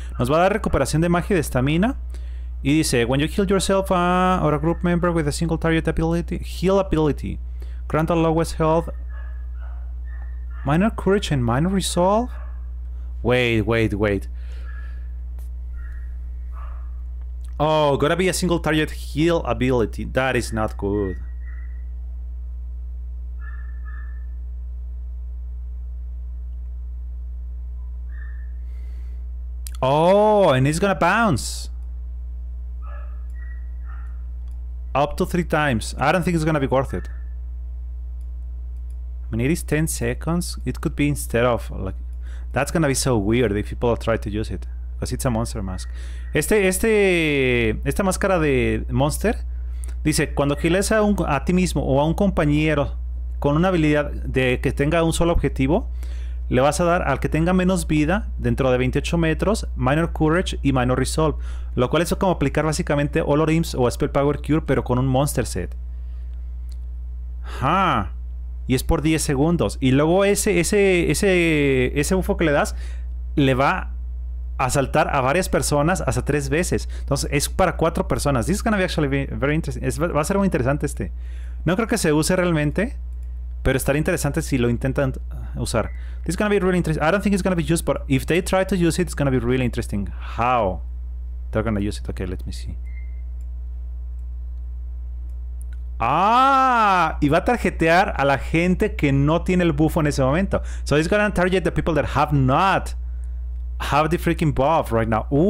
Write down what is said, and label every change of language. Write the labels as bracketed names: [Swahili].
[Spanish] Nos va a dar recuperación de magia y de estamina. Y dice: [English] when you heal yourself or a group member with a single target ability, heal ability. Grant the lowest health. Minor Courage and Minor Resolve. Wait. Oh, gotta be a single target heal ability. That is not good. Oh, and it's gonna bounce. Up to 3 times. I don't think it's gonna be worth it. I mean, it is 10 seconds. It could be instead of, like, that's gonna be so weird if people try to use it. Because it's a monster mask. [Spanish] Esta máscara de monster dice: cuando giles a ti mismo o a un compañero con una habilidad de que tenga un solo objetivo, le vas a dar al que tenga menos vida dentro de 28 metros Minor Courage y Minor Resolve. Lo cual es como aplicar básicamente Olor Imps o Spell Power Cure, pero con un monster set. ¡Huh! Y es por 10 segundos. Y luego ese buffo que le das le va a saltar a varias personas hasta 3 veces. Entonces es para 4 personas. [English] This is gonna be actually very interesting. [Spanish] Va a ser muy interesante este. No creo que se use realmente, pero estaría interesante si lo intentan usar. [English] This is gonna be really interesting. I don't think it's gonna be used, but if they try to use it, it's gonna be really interesting. How they're gonna use it. Okay, let me see. [Spanish] Y va a tarjetear a la gente que no tiene el buffo en ese momento. [English] So it's gonna target the people that have not have the freaking buff right now.